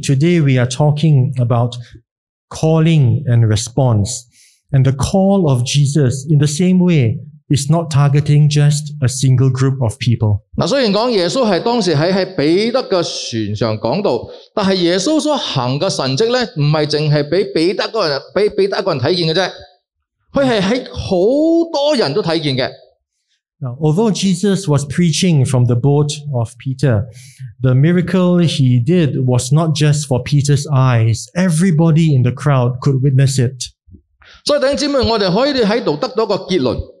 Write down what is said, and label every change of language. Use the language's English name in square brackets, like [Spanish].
[English] today we are talking about calling and response, and the call of Jesus in the same way is not targeting just a single group of people. [Chinese] 虽然讲耶稣是当时在彼得的船上讲道，但是耶稣所行的神迹呢，不是只是被彼得一个人看见的，他是在很多人都看见的。 [English] Although Jesus was preaching from the boat of Peter, the miracle he did was not just for Peter's eyes. Everybody in the crowd could witness it. [Chinese] 所以弟兄姊妹，我们可以在这里得到一个结论。